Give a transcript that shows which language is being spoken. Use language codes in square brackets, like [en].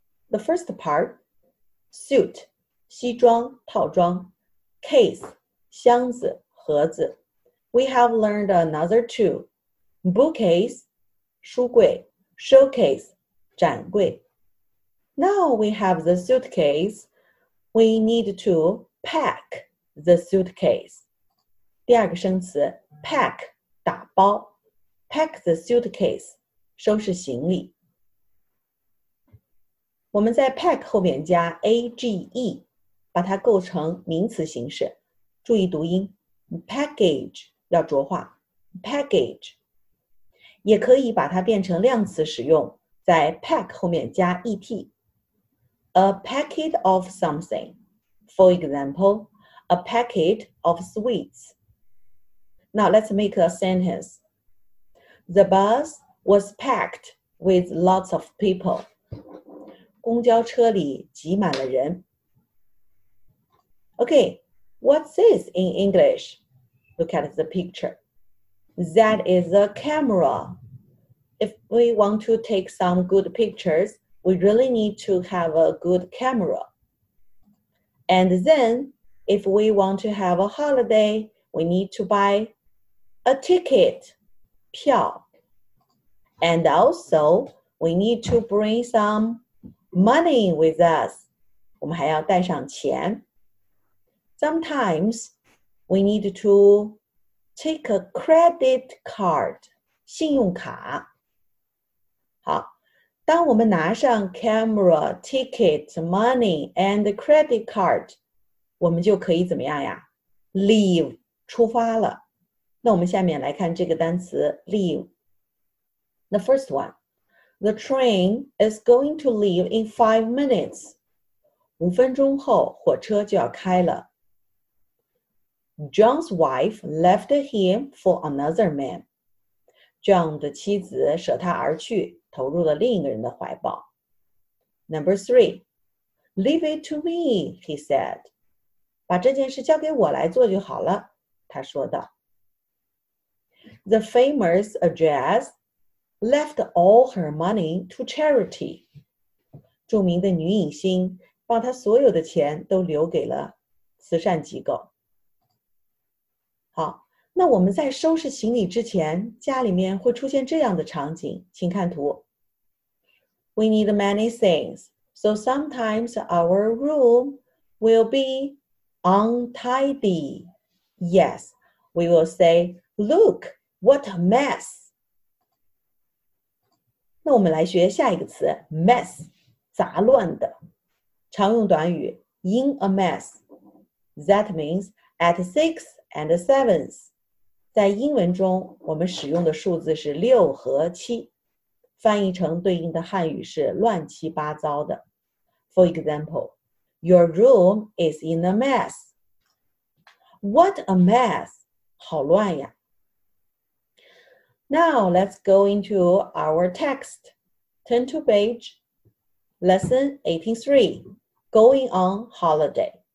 [en] The first part, suit, 西装套装, case, 箱子盒子. We have learned another two. Bookcase, 书柜, showcase, 展柜. Now we have the suitcase. We need to pack the suitcase. [zh] 第二个生词 pack 打包 [en] pack the suitcase [zh] 收拾行李。我们在 pack 后面加 age， 把它构成名词形式。注意读音 package 要浊化 package， 也可以把它变成量词使用，在 pack 后面加 et。 [en] A packet of something. For example, a packet of sweets. Now let's make a sentence. The bus was packed with lots of people. [zh] 公交车里挤满了人。 [en] Okay, what's this in English? Look at the picture. That is a camera. If we want to take some good pictures,We really need to have a good camera. And then, if we want to have a holiday, we need to buy a ticket, 票. And also, we need to bring some money with us. [zh] 我们还要带上钱. [en] Sometimes, we need to take a credit card, 信用卡. [zh] 好。当我们拿上 [en] camera, ticket, money, and credit card, [zh] 我们就可以怎么样呀? Leave, 出发了。那我们下面来看这个单词 leave. [en] The first one, the train is going to leave in 5 minutes. [zh] 五分钟后火车就要开了。 [en] John's wife left him for another man. [zh] John 的妻子舍他而去。投入了另一个人的怀抱。 [en] Number three, leave it to me, he said. [zh] 把这件事交给我来做就好了，他说道。 [en] The famous actress left all her money to charity. [zh] 著名的女影星把她所有的钱都留给了慈善机构。好，那我们在收拾行李之前，家里面会出现这样的场景，请看图。 [en] We need many things, so sometimes our room will be untidy. Yes, we will say, look, what a mess. [zh] 那我们来学下一个词 mess, 杂乱的。常用短语 in a mess. [en] That means at 6 and 7. [zh] 在英文中我们使用的数字是6和7。翻译成对应的汉语是乱七八糟的。 [en] For example, your room is in a mess. What a mess! [zh] 好乱呀。 [en] Now let's go into our text. Turn to page lesson 83, going on holiday.